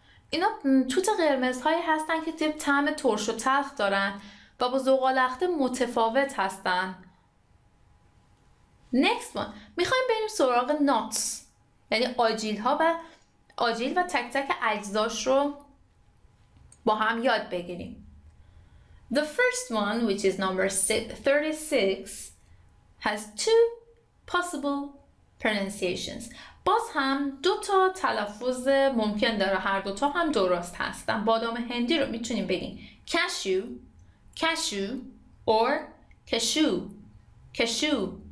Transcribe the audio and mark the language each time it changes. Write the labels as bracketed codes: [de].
[fa] اینا توت قرمزهایی هستن که تیپ طعم ترش و تلخ دارن و با زغالخته متفاوت هستن. [en] Next one. [fa] میخواییم بریم سراغ nuts. یعنی آجیل ها و آجیل و تک تک اجزاش رو با هم یاد بگیریم. [en] The first one, which is number 36, has two possible pronunciations. [fa] باز هم دو تا تلفظ ممکن داره، هر دو تا هم درست هستن. بادام هندی رو میتونیم بگیم cashew.